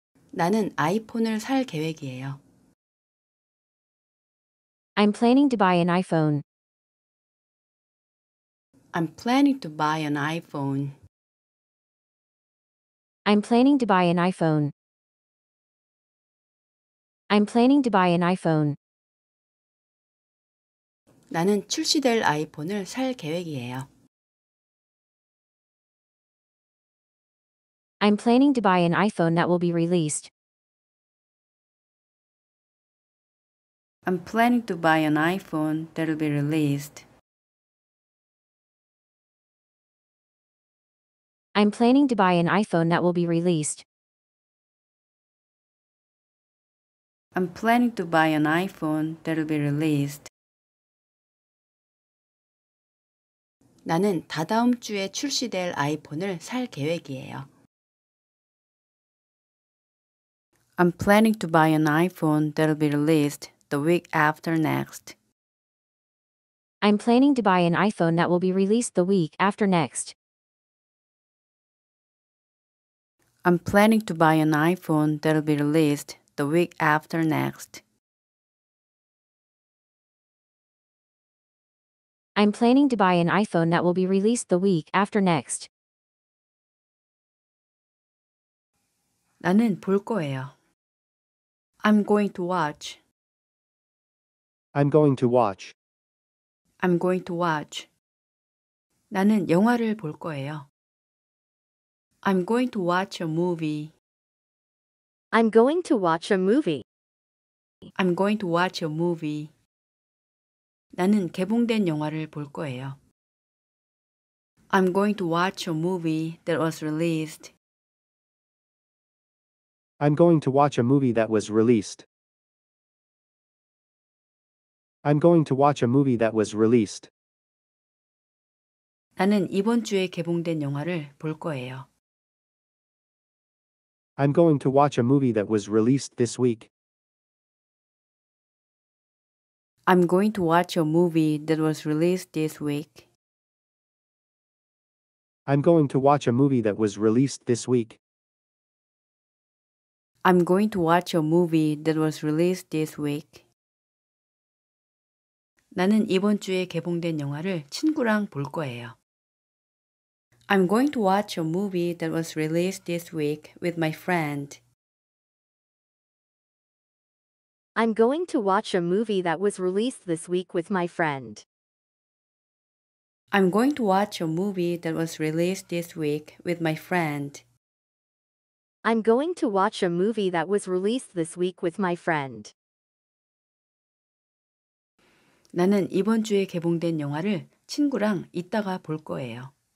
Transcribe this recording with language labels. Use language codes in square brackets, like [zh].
[ko] 나는 아이폰을 살 계획이에요. [en] I'm planning to buy an iPhone. I'm planning to buy an iPhone. I'm planning to buy an iPhone. I'm planning to buy an iPhone. [ko] 나는 출시될 아이폰을 살 계획이에요. [en] I'm planning to buy an iPhone that will be released. I'm planning to buy an iPhone that will be released. I'm planning to buy an iPhone that will be released. I'm planning to buy an iPhone that will be released. [ko] 나는 다다음 주에 출시될 아이폰을 살 계획이에요. [en] I'm planning to buy an iPhone that will be released the week after next. I'm planning to buy an iPhone that will be released the week after next. I'm planning to buy an iPhone that will be released the week after next. I'm planning to buy an iPhone that will be released the week after next. [ko] 나는 볼 거예요. [en] I'm going to watch. I'm going to watch. I'm going to watch. [ko] 나는 영화를 볼 거예요. [en] I'm going to watch a movie. I'm going to watch a movie. I'm going to watch a movie. [ko] 나는 개봉된 영화를 볼 거예요. [en] I'm going to watch a movie that was released. I'm going to watch a movie that was released. I'm going to watch a movie that was released. [ko] 나는 이번 주에 개봉된 영화를 볼 거예요. [en] I'm going to watch a movie that was released this week. I'm going to watch a movie that was released this week. I'm going to watch a movie that was released this week. I'm going to watch a movie that was released this week. [ko] 나는 이번 주에 개봉된 영화를 친구랑 볼 거예요. [en] I'm going to watch a movie that was released this week with my friend. I'm going to watch a movie that was released this week with my friend. I'm going to watch a movie that was released this week with my friend. I'm going to watch a movie that was released this week with my friend. [ko] 나는 이번 주에 개봉된 영화를 친구랑 이따가 볼 거예요.